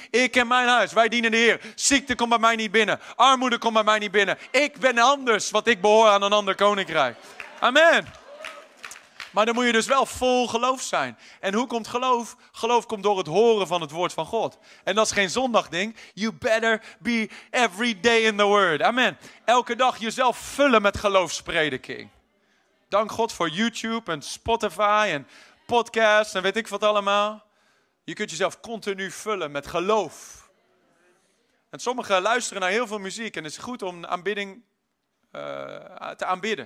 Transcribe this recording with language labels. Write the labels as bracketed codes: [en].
[nl] Ik en mijn huis, wij dienen de Heer. Ziekte komt bij mij niet binnen. Armoede komt bij mij niet binnen. Ik ben anders, want ik behoor aan een ander koninkrijk. Amen. Maar dan moet je dus wel vol geloof zijn. En hoe komt geloof? Geloof komt door het horen van het woord van God. En dat is geen zondagding. [en] You better be every day in the word. [nl] Amen. Elke dag jezelf vullen met geloofsprediking. Dank God voor YouTube en Spotify en podcasts en weet ik wat allemaal. Je kunt jezelf continu vullen met geloof. En sommigen luisteren naar heel veel muziek en het is goed om aanbidding te aanbidden.